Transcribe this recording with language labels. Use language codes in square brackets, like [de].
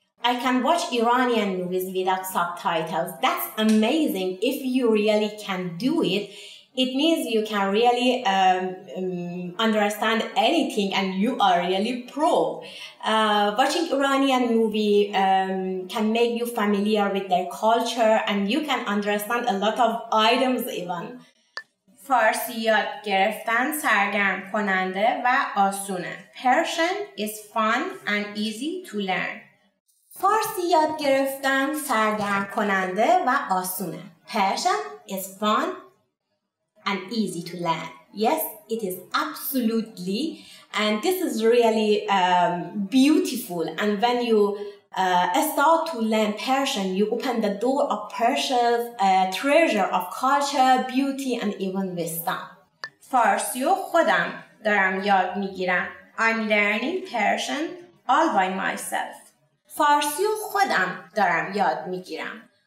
[en] I can watch Iranian movies without subtitles. That's amazing. If you really can do it, it means you can really understand anything and you are really pro. Watching Iranian movie can make you familiar with their culture and you can understand a lot of items even. [fa] فارسی یاد گرفتن سرگرم کننده و آسونه. [en] Persian is fun and easy to learn. [fa] فارسی یاد گرفتن سرگرم کننده و آسونه. [en] Persian is fun and easy to learn. Yes, it is absolutely, and this is really beautiful. And when you start to learn Persian, you open the door of Persia's treasure of culture, beauty, and even wisdom. [fa] فارسی و خودم دارم یاد میگیرم. [en] I'm learning Persian all by myself. [fa] فارسی و خودم دارم یاد میگیرم.